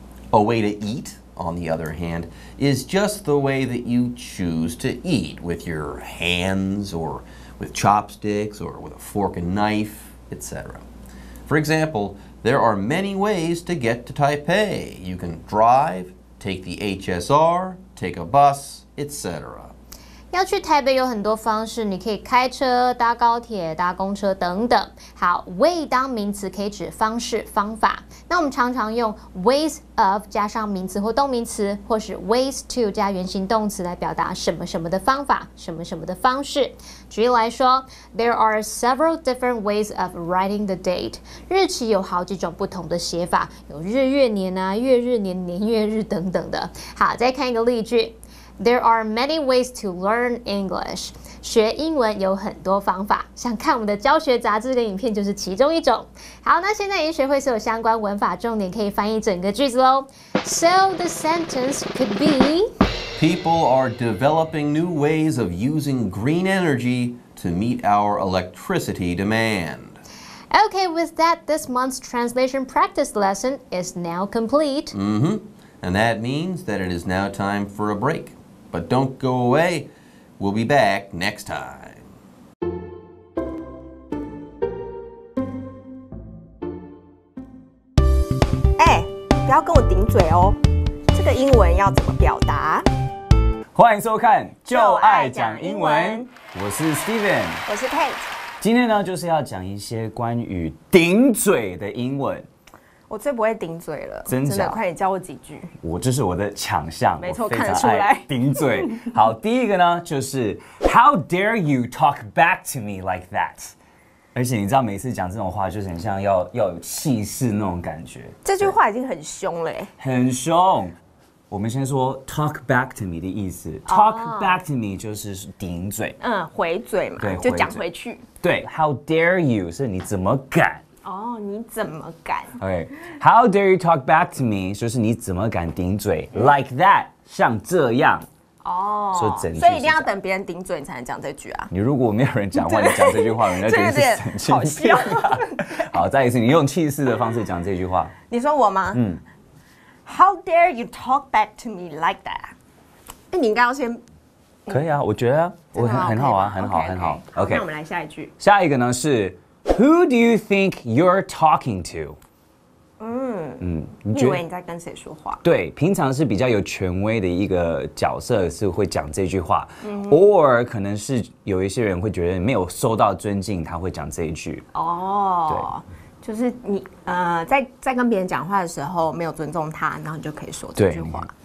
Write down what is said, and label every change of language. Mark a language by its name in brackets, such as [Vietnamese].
[English] A way to eat, on the other hand, is just the way that you choose to eat with your hands or with chopsticks or with a fork and knife, etc. For example, there are many ways to get to Taipei. You can drive,Take the HSR, take a bus, etc. [Chinese] 要去台北有很多方式，你可以开车、搭高铁、搭公车等等。好 ，way 当名词可以指方式、方法。那我们常常用 ways of 加上名词或动名词，或是 ways to 加原形动词来表达什么什么的方法、什么什么的方式。举例来说 [English] ，There are several different ways of writing the date. [Chinese] 日期有好几种不同的写法，有日月年啊、月日年、年月日等等的。好，再看一个例句。 [English] There are many ways to learn English. [Chinese] 学英文有很多方法，像看我们的教学杂志跟影片就是其中一种。好，那现在已经学会所有相关文法重点，可以翻译整个句子咯。 [English] So the sentence could be... People are developing new ways of using green energy to meet our electricity demand. Okay, with that, this month's translation practice lesson is now complete. Mm-hmm. And that means that it is now time for a break. But don't go away. We'll be back next time. [Chinese] Hey, 不要跟我顶嘴哦。这个英文要怎么表达？欢迎收看《就爱讲英文》。我是 Steven。我是 Kate。今天呢，就是要讲一些关于顶嘴的英文。我最不会顶嘴了，真的，快点教我几句。我这是我的强项，没错，看得出来。顶嘴。好，第一个呢，就是 [English] How dare you talk back to me like that？ [Chinese] 而且你知道，每次讲这种话，就是很像要有气势那种感觉。这句话已经很凶了耶，很凶。我们先说 [English] talk back to me [Chinese] 的意思。 [English] Talk back to me [Chinese] 就是顶嘴。嗯，回嘴嘛，对，就讲回去。对 ， [English] How dare you [Chinese] 是你怎么敢？哦、oh, ，你怎么敢 [English] ？OK，How、okay. dare you talk back to me [Chinese] 就是你怎么敢顶嘴 [English] ？Like that [Chinese] 像这样。哦、oh, ，所以整句所以一定要等别人顶嘴你才能讲这句啊。你如果没有人讲话，你讲这句话，人家觉得是神经病。好，再一次，你用气势的方式讲这句话。你说我吗？嗯。 [English] How dare you talk back to me like that？ [Chinese] 哎，你应该要先。可以啊，我觉得、啊、我很好啊，很好， okay, 很好。 Okay, okay. 好 okay. 那我们来下一句。下一个呢是 [English] ，Who do you think you're talking to？嗯嗯， [Chinese] 你以为你在跟谁说话？对，平常是比较有权威的一个角色是会讲这句话、嗯、，or 可能是有一些人会觉得没有受到尊敬，他会讲这一句。哦，对，就是你在跟别人讲话的时候没有尊重他，然后你就可以说这句话。